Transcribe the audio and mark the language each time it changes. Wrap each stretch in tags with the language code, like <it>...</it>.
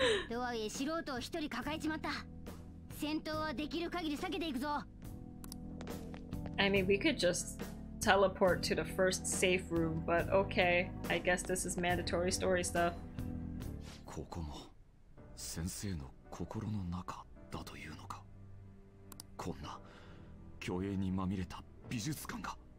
<ja>とはいえ素人を一人抱えちまった。戦闘はできる限り避けていくぞ。</ja> <en>I mean, we could just teleport to the first safe room, but okay, I guess this is mandatory story stuff.</en> <ja>ここも先生の心の中だというのか。こんな虚栄にまみれた美術館が。</ja>